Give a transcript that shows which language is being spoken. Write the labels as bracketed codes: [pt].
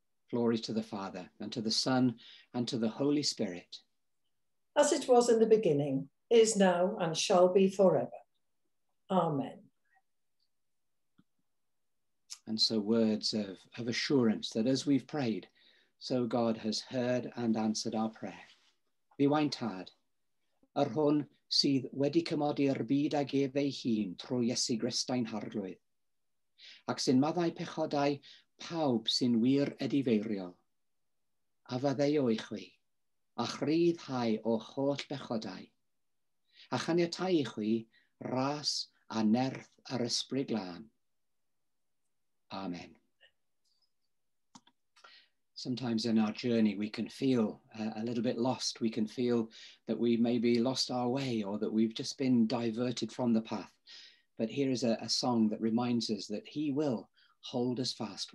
[en] Glory to the Father, and to the Son, and to the Holy Spirit. As it was in the beginning, is now, and shall be forever. Amen. And so words of assurance that as we've prayed, so God has heard and answered our prayer. [cy] Bywain tad, yr hwn sydd wedi cymodi'r byd ag ef ei hun trwy Iesu Grist ein harglwydd, ac sy'n maddau pechodau pawb sy'n wir edifeiriol, a faddeio i chwi, a chryddhau o holl bechodau, a chaniatau i chwi ras a nerth ar ysbryd glân. [en] Amen. Sometimes in our journey, we can feel a little bit lost. We can feel that we maybe lost our way or that we've just been diverted from the path. But here is a song that reminds us that he will hold us fast.